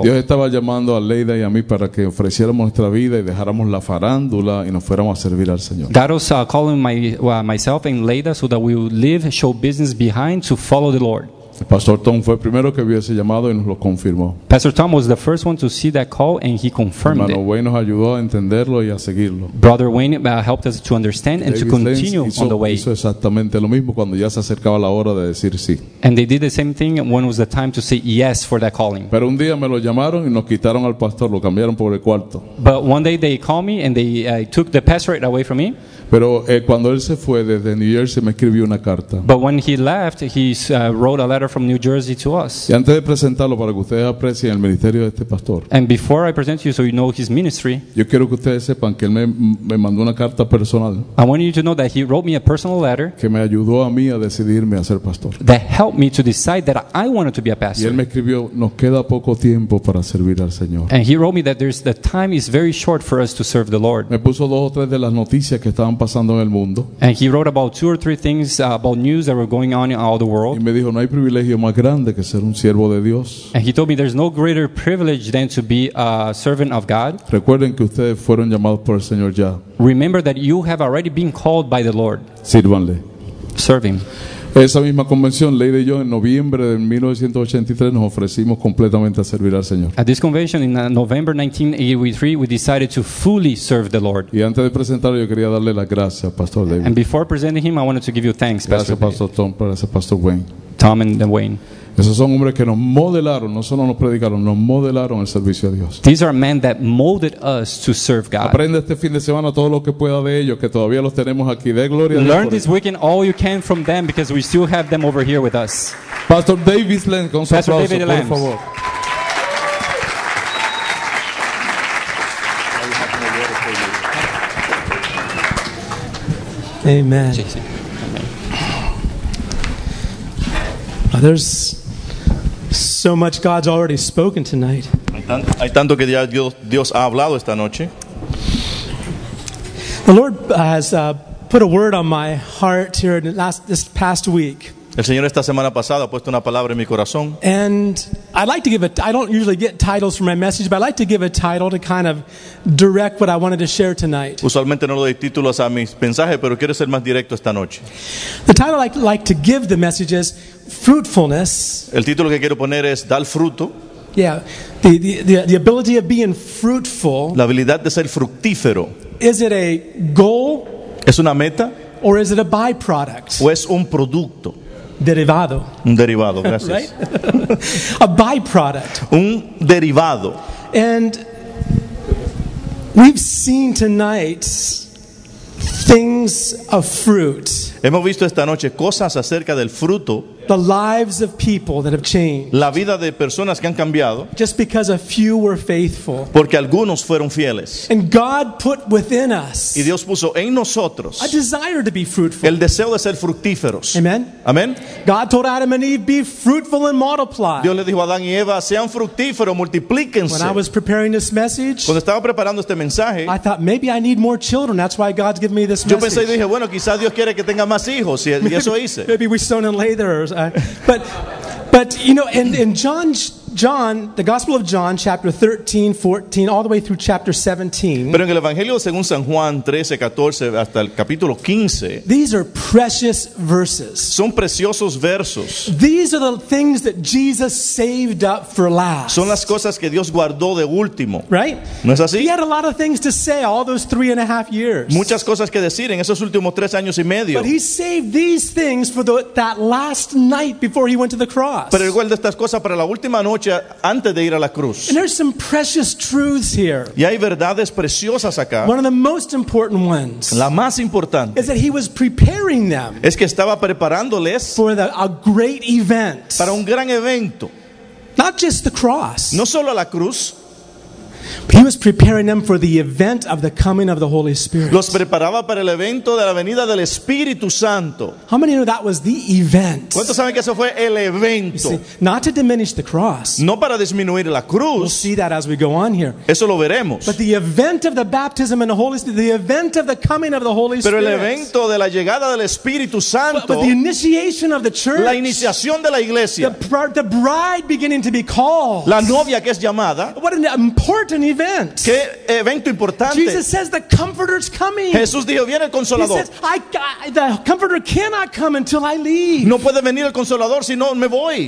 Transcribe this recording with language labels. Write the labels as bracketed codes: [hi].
[es] Dios estaba llamando a Leida y a mí para que ofreciéramos nuestra vida y dejáramos la farándula y nos fuéramos a servir al Señor. [en] God was calling myself and Leida so that we would leave show business behind to follow the Lord. [es] Pastor Tom fue el primero que vio ese llamado y nos lo confirmó. [en] Pastor Tom was the first one to see that call and he confirmed it. [es] Hermano Wayne nos ayudó a entenderlo y a seguirlo. [en] Brother Wayne helped us to understand and to continue on the way. [es] Hizo exactamente lo mismo cuando ya se acercaba la hora de decir sí. [en] And they did the same thing when was the time to say yes for that calling. [es] Pero un día me lo llamaron y nos quitaron al pastor, lo cambiaron por el cuarto. [en] But one day they called me and they took the pastor right away from me. [es] Pero cuando él se fue desde New Jersey me escribió una carta. [en] But when he left, he wrote a letter from New Jersey to us. [es] Y antes de presentarlo para que ustedes aprecien el ministerio de este pastor. [en] And before I present you so you know his ministry. [es] Yo quiero que ustedes sepan que él me mandó una carta personal. [en] I want you to know that he wrote me a personal letter. [es] Que me ayudó a mí a decidirme a ser pastor. [en] That helped me to decide that I wanted to be a pastor. [es] Y él me escribió, nos queda poco tiempo para servir al Señor. [en] And he wrote me that the time is very short for us to serve the Lord. [es] Me puso dos o tres de las noticias que estaban pasando en el mundo. [en] And he wrote about two or three things about news that were going on in all the world. [es] Y me dijo, no hay privilegio más grande que ser un siervo de Dios. [en] And he told me there's no greater privilege than to be a servant of God. [es] Recuerden que ustedes fueron llamados por el Señor ya. [en] Remember that you have already been called by the Lord. [es] Sírvanle. [en] Serve him. [es] Esa misma convención, Leida y yo, en noviembre de 1983, nos ofrecimos completamente a servir al Señor. [en] At this convention, in November 1983, we decided to fully serve the Lord. [es] Y antes de presentarlo, yo quería darle las gracias, Pastor David. [en] And before presenting him, I wanted to give you thanks, Pastor David. [es] Gracias, Pastor Tom, gracias, Pastor Wayne. [en] Tom and Wayne. [es] Esos son hombres que nos modelaron, no solo nos predicaron, nos modelaron el servicio a Dios. [en] These are men that molded us to serve God. [es] Aprende este fin de semana todo lo que pueda de ellos, que todavía los tenemos aquí. De gloria. [en] Learn this weekend all you can from them because we still have them over here with us. [es] Pastor David Slens, con su aplauso, por favor. [en] Amen. There's so much God's already spoken tonight. [es] Hay tanto que ya Dios ha hablado esta noche. [en] The Lord has put a word on my heart here this past week. [es] El Señor esta semana pasada ha puesto una palabra en mi corazón. [en] And I'd like to give I don't usually get titles for my message, but I'd like to give a title to kind of direct what I wanted to share tonight. [es] Usualmente no doy títulos a mis mensajes, pero quiero ser más directo esta noche. [en] The title I'd like to give the message is fruitfulness. [es] El título que quiero poner es dar fruto. [en] Yeah, the ability of being fruitful. [es] La habilidad de ser fructífero. [en] Is it a goal? [es] ¿Es una meta? [en] Or is it a byproduct? [es] ¿O es un producto? Derivado. Un derivado, gracias. [en] A byproduct. [es] Un derivado. [en] And we've seen tonight things of fruit. [es] Hemos visto esta noche cosas acerca del fruto. [en] The lives of people that have changed. [es] La vida de personas que han cambiado. [en] Just because a few were faithful. [es] Porque algunos fueron fieles. [en] And God put within us. [es] Y Dios puso en nosotros. [en] A desire to be fruitful. [es] El deseo de ser fructíferos. [en] Amen. [es] Amen. [en] God told Adam and Eve, "Be fruitful and multiply." [es] Dios le dijo a Adán y Eva, sean fructíferos, multiplíquense. [en] When I was preparing this message, [es] cuando estaba preparando este mensaje, [en] I thought maybe I need more children. That's why God's giving me this message. [es] Yo pensé y dije, bueno, quizás Dios quiere que tenga más hijos, y [en] maybe, [es] eso hice. [en] Maybe we sown and lay there. But you know, in John, the Gospel of John, chapter 13, 14, all the way through chapter 17. [es] Pero en el Evangelio según San Juan 13, 14, hasta el capítulo 15. [en] These are precious verses. [es] Son preciosos versos. [en] These are the things that Jesus saved up for last. [es] Son las cosas que Dios guardó de último. [en] Right? [es] ¿No es así? [en] He had a lot of things to say all those 3.5 years. [es] Muchas cosas que decir en esos últimos 3 años y medio. [en] But he saved these things for that last night before he went to the cross. [es] Pero él guardó estas cosas para la última noche. Antes de ir a la cruz. [en] And there's some precious truths here. [es] Y hay verdades preciosas acá. [en] One of the most important ones. [es] La más importante. [en] Is that he was preparing them. [es] Es que estaba preparándoles. [en] For a great event. [es] Para un gran evento. [en] Not just the cross. [es] No solo la cruz. [en] He was preparing them for the event of the coming of the Holy Spirit. [es] Los preparaba para el evento de la venida del Espíritu Santo. [en] How many know that was the event? [es] ¿Cuántos saben que eso fue el evento? [en] See, not to diminish the cross. [es] No para disminuir la cruz. [en] We'll see that as we go on here. [es] Eso lo veremos. [en] But the event of the baptism and the Holy Spirit, the event of the coming of the Holy Spirit. [es] Pero el evento de la llegada del Espíritu Santo. [en] But the initiation of the church. [es] La iniciación de la iglesia. [en] The bride beginning to be called. [es] La novia que es llamada. [en] What an important event. [es] Qué evento importante. [en] Jesus says the Comforter's coming. [es] Jesús dijo, viene el Consolador. [en] He says, the Comforter cannot come until I leave. [es] No puede venir el Consolador si no me voy.